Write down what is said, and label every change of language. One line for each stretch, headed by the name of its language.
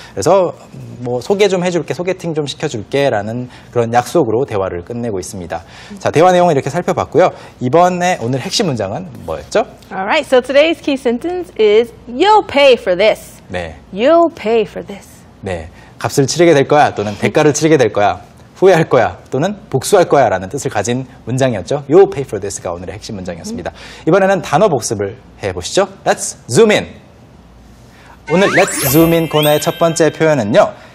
Korean: 그래서 뭐 소개 좀 해줄게, 소개팅 좀 시켜줄게라는 그런 약속으로 대화를 끝내고 있습니다. 자, 대화 내용 이렇게 살펴봤고요. 이번에 오늘 핵심 문장은 뭐였죠?
English: Alright, so today's key sentence is you'll pay for this.
Korean: 네.
English: You'll pay for this.
Korean: 네, 값을 치르게 될 거야 또는 대가를 치르게 될 거야 후회할 거야 또는 복수할 거야 라는 뜻을 가진 문장이었죠.
English: You'll pay for this
Korean: 가 오늘의 핵심 문장이었습니다. 이번에는 단어 복습을 해보시죠.
English: Let's zoom in. 오늘 Let's zoom in
Korean: 코너의 첫 번째 표현은요.